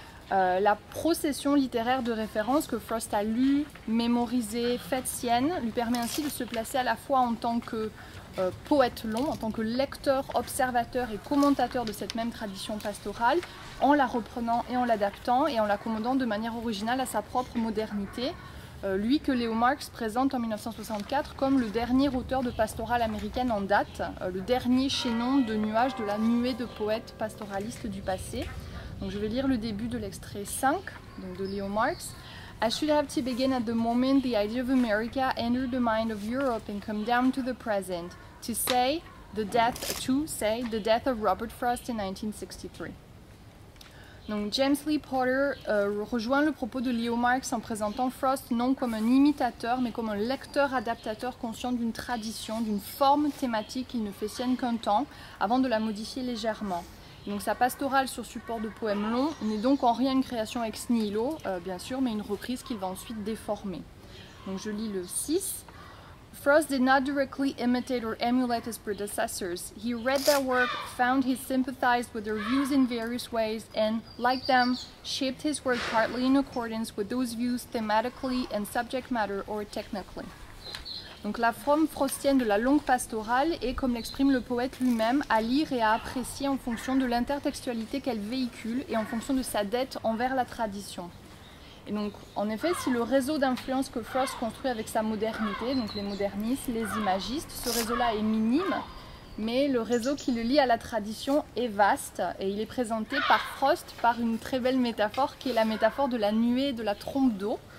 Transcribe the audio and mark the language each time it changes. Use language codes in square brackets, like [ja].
[fr] La procession littéraire de référence que Frost a lue, mémorisée, faite sienne, lui permet ainsi de se placer à la fois en tant que poète long, en tant que lecteur, observateur et commentateur de cette même tradition pastorale, en la reprenant et en l'adaptant et en l'accommodant de manière originale à sa propre modernité, lui que Leo Marx présente en 1964 comme le dernier auteur de pastorale américaine en date, le dernier chaînon de nuages de la nuée de poètes pastoralistes du passé. Donc je vais lire le début de l'extrait 5, donc de Leo Marx. [en] I should have to begin at the moment the idea of America entered the mind of Europe and come down to the present, to say the death of Robert Frost in 1963. [fr] Donc James Lee Potter rejoint le propos de Leo Marx en présentant Frost non comme un imitateur, mais comme un lecteur-adaptateur conscient d'une tradition, d'une forme thématique qu'il ne fait sienne qu'un temps, avant de la modifier légèrement. Donc sa pastorale sur support de poèmes longs n'est donc en rien une création ex nihilo, bien sûr, mais une reprise qu'il va ensuite déformer. Donc je lis le 6. [en] Frost did not directly imitate or emulate his predecessors. He read their work, found he sympathized with their views in various ways, and, like them, shaped his work partly in accordance with those views thematically and subject matter or technically. [fr] Donc la forme frostienne de la longue pastorale est, comme l'exprime le poète lui-même, à lire et à apprécier en fonction de l'intertextualité qu'elle véhicule et en fonction de sa dette envers la tradition. Et donc, en effet, si le réseau d'influence que Frost construit avec sa modernité, donc les modernistes, les imagistes, ce réseau-là est minime, mais le réseau qui le lie à la tradition est vaste et il est présenté par Frost par une très belle métaphore qui est la métaphore de la nuée, de la trompe d'eau.